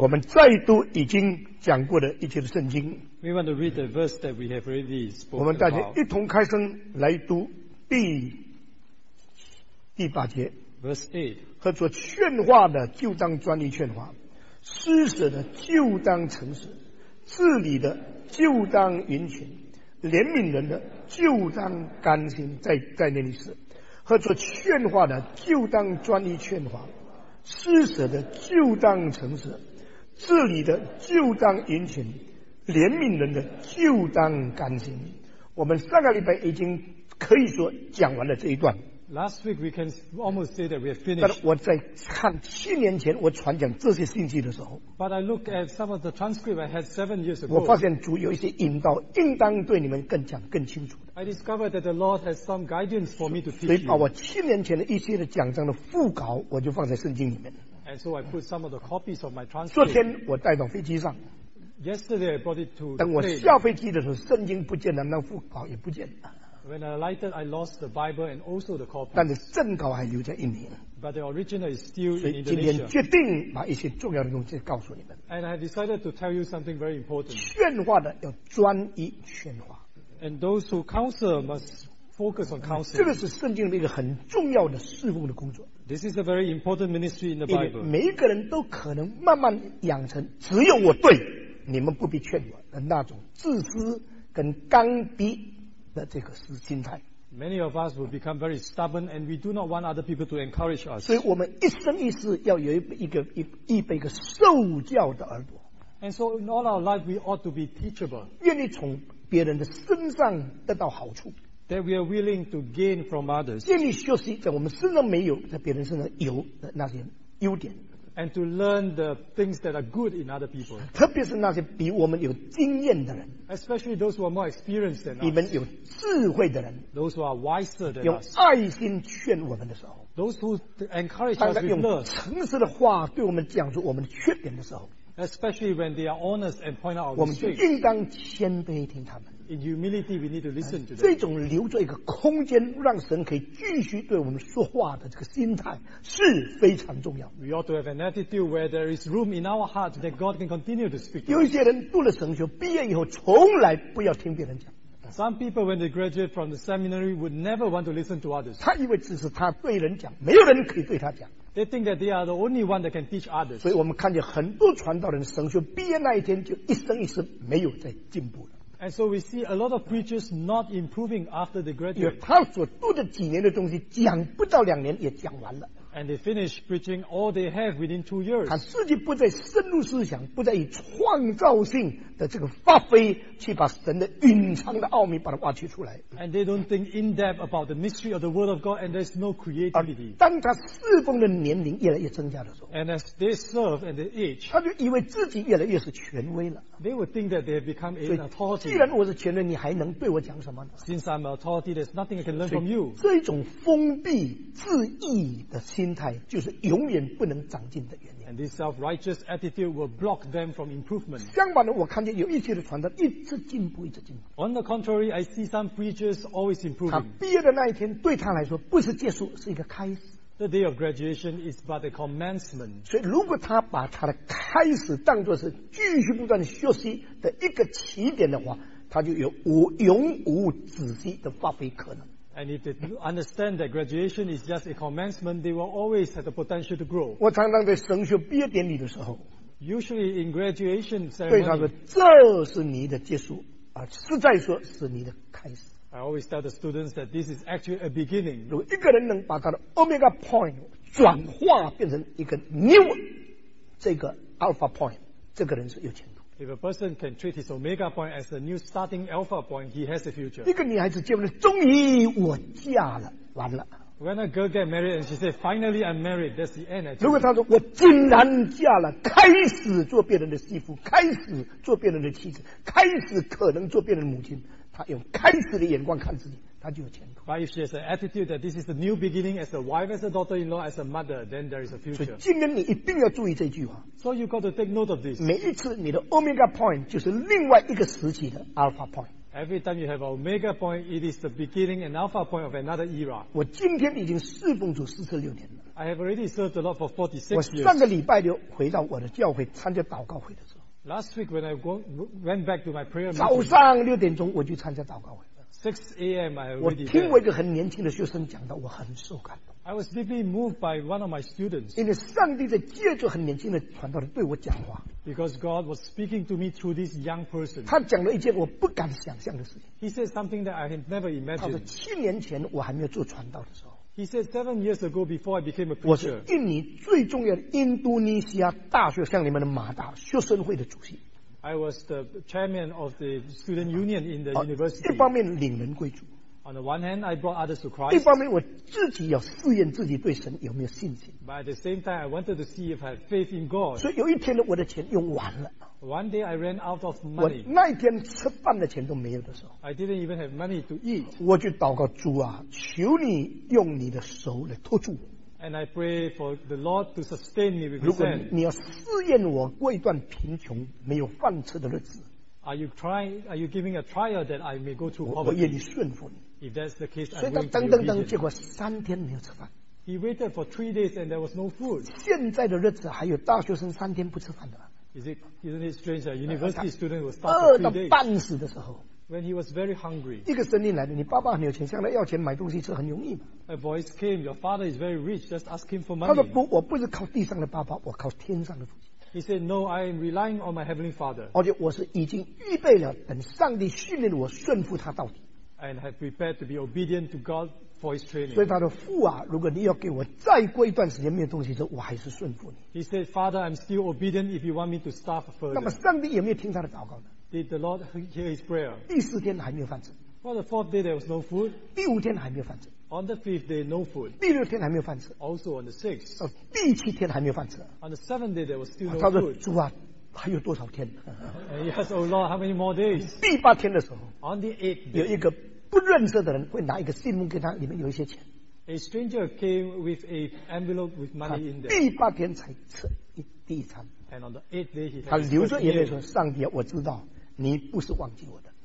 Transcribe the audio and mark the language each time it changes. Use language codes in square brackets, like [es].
[zh] 我们再度已经讲过的一节的圣经。 [en] We want to read the verse that we have already spoken about. [zh] 我们大家一同开声来读第八节。 [en] Verse 8。 [zh] 和做劝化的就当专一劝化，施舍的就当诚实，治理的就当殷勤，怜悯人的就当甘心在那里死，和做劝化的就当专一劝化，施舍的就当诚实，治理的就当殷勤，怜悯人的就当甘心。我们上个礼拜已经可以说讲完了这一段。 [en] Last week we can almost say that we have finished. [zh] 但我在看七年前我传讲这些信息的时候， [en] But I look at some of the transcript I had seven years ago. [zh] 我发现主有一些引导，应当对你们更讲更清楚。 [en] I discovered that the Lord has some guidance for me to teach. [zh] 所以把我七年前的一些的讲章的副稿，我就放在圣经里面。 [en] And so I put some of the copies of my transcript. [zh] 昨天我带到飞机上。 [en] Yesterday I brought it to. [zh] 等我下飞机的时候，圣经不见了，那副稿也不见了。 [en] When I alighted, I lost the Bible and also the copy. [zh] 但是正稿还留在印尼。 [en] But the original is still in Indonesia. [zh] 所以今天决定把一些重要的东西告诉你们。 [en] And I have decided to tell you something very important. [zh] 劝化的要专一劝化。 [en] And those who counsel must focus on counseling. [zh] 这个是圣经的一个很重要的侍奉的工作。 [en] This is a very important ministry in the Bible. [zh] 因为每一个人都可能慢慢养成，只有我对，你们不必劝我的那种自私跟刚愎。这个是心态。 [en] Many of us will become very stubborn, and we do not want other people to encourage us. [zh] 所以我们一生一世要有一个受教的耳朵。 [en] And so in all our life, we ought to be teachable. [zh] 愿意从别人的身上得到好处。 [en] That we are willing to gain from others. [zh] 愿意学习在我们身上没有，在别人身上有的那些优点。 [en] And to learn the things that are good in other people. [zh] 特别是那些比我们有经验的人。 [en] Especially those who are more experienced than us. [zh] 比我们有智慧的人。 [en] Those who are wiser than us. [zh] 用爱心劝我们的时候。 [en] Those who encourage us with love. [zh] 用诚实的话对我们讲出我们的缺点的时候。 [en] Especially when they are honest and point out our mistakes. [zh] 我们就应当谦卑听他们。 [en] In humility, we need to listen to them. [zh] 这种留着一个空间，让神可以继续对我们说话的这个心态是非常重要。 [en] We ought to have an attitude where there is room in our heart that God can continue to speak. [zh] 有一些人读了神学，毕业以后从来不要听别人讲。 [en] Some people, when they graduate from the seminary, would never want to listen to others. [zh] 他以为只是他对人讲，没有人可以对他讲。 [en] They think that they are the only one that can teach others. [zh] 所以我们看见很多传道人神学毕业那一天就一生一世没有再进步了。 [en] And so we see a lot of preachers not improving after they graduate. [zh] 因为他所读的几年的东西讲不到两年也讲完了。 [en] And they finish preaching all they have within 2 years. [zh] 他自己不再深入思想，不再以创造性的这个发挥去把神的隐藏的奥秘把它挖掘出来。 [en] And they don't think in depth about the mystery of the word of God, and there's no creativity. [zh] 当他侍奉的年龄越来越增加的时候， [en] and as they serve and they age, [zh] 他就以为自己越来越是权威了。 [en] They would think that they have become an authority. [zh] 既然我是权威，你还能对我讲什么呢？ [en] Since I'm an authority, there's nothing I can learn from you. [zh] 这种封闭自义的心态就是永远不能长进的原因。 [en] And this self-righteous attitude will block them from improvement. [zh] 相反的，我看见有一些的传道一直进步，一直进步。 [en] On the contrary, I see some preachers always improving. [zh] 他毕业的那一天对他来说不是结束，是一个开始。 [en] The day of graduation is but a commencement. [zh] 所以如果他把他的开始当作是继续不断的学习的一个起点的话，他就有永无止息的发挥可能。 [en] And if they understand that graduation is just a commencement, they will always have the potential to grow. [zh] 我常常在神学毕业典礼的时候， [en] usually in graduation ceremony, [zh] 对他说这是你的结束，而实在说是你的开始。 [en] I always tell the students that this is actually a beginning. [zh] 如果一个人能把他的 omega point 转化变成一个 new 这个 alpha point， 这个人是有前途。 [en] If a person can treat his omega point as a new starting alpha point, he has a future. [zh] 一个女孩子结婚了，终于我嫁了，完了。 [en] When a girl get married and she says, "Finally, I'm married," that's the end. [zh] 如果她说我竟然嫁了，开始做别人的媳妇，开始做别人的妻子，开始可能做别人的母亲。他用开始的眼光看自己，他就有前途。 [en] But if she has an attitude that this is the new beginning as a wife, as a daughter-in-law, as a mother, then there is a future. [zh] 所以今天你一定要注意这句话。 [en] So you got to take note of this. [zh] 每一次你的 omega point 就是另外一个时期的 alpha point。 [en] Every time you have an omega point, it is the beginning and alpha point of another era. [zh] 我今天已经侍奉主46年了。 [en] I have already served the Lord for 46 years. [zh] 我上个礼拜就回到我的教会参加祷告会的时候。 Last week when I went back to my prayer [en] meeting, [zh] 早上六点钟我就参加祷告会。 [en] 6 a.m. I already. [zh] 我听过一个很年轻的学生讲到，我很受感动。 [en] I was deeply moved by one of my students. [zh] 因为上帝在借着很年轻的传道人对我讲话。 [en] Because God was speaking to me through this young person. [zh] 他讲了一件我不敢想象的事情。 [en] He said something that I had never imagined. [zh] 他说7年前我还没有做传道的时候。 [en] He said 7 years ago before I became a preacher. [zh] 我是印尼最重要的印度尼西亚大学像你们的马达学生会的主席。 [en] I was the chairman of the student union in the university. [zh] 一方面领人归主。 [en] On the one hand, I brought others to Christ. [zh] 一方面我自己要试验自己对神有没有信心。 [en] But at the same time, I wanted to see if I had faith in God. [zh] 所以有一天我的钱用完了。 [en] One day I ran out of money. [zh] 我那一天吃饭的钱都没有的时候。 [en] I didn't even have money to eat. [zh] 我就祷告主啊，求你用你的手来托住。 [en] And I pray for the Lord to sustain me with His hand. [zh] 如果你要试验我过一段贫穷没有饭吃的日子。 [en] Are you giving a trial that I may go through poverty? [zh] 我愿意顺服你。 [en] If that's the case, [zh] 所以他等等等，结果3天没有吃饭。 [en] He waited for 3 days and there was no food. [zh] 现在的日子还有大学生3天不吃饭的。 [en] Isn't it strange? A university student will starve for 3 days. [zh] 饿到半死的时候。 [en] When he was very hungry. [zh] 一个声音来的，你爸爸很有钱，向他要钱买东西吃很容易嘛。 [en] A voice came, your father is very rich. Just ask him for money. [zh] 他说不，我不是靠地上的爸爸，我靠天上的父亲。 [en] He said, "No, I am relying on my heavenly father." [zh] 而且我是已经预备了，等上帝训练我顺服他到底。 [en] And have prepared to be obedient to God for His training. [zh] 所以他的父啊，如果你要给我再过一段时间没有东西吃，我还是顺服你。 [en] He said, "Father, I'm still obedient if you want me to starve further." [zh] 那么上帝有没有听他的祷告呢 [en] ？Did the Lord hear his prayer? [zh] 第四天还没有饭吃。 [en] For the fourth day, there was no food. [zh] 第五天还没有饭吃。 [en] On the fifth day, no food. [zh] 第六天还没有饭吃。 [en] Also on the sixth. [zh] 第七天还没有饭吃。 [en] On the seventh day, there was still no food. [zh] 他说：“主啊。” 还有多少天 [en] Yes, oh Lord, how many more days? [zh] 第八天的时候 [en] On the eighth day, [zh] 有一个不认识的人会拿一个信封给他里面有一些钱 [en] A stranger came with an envelope with money in there [zh] 第八天才吃第一餐 [en] And on the eighth day, he [zh] 他流着眼泪说上帝我知道你不是忘记我的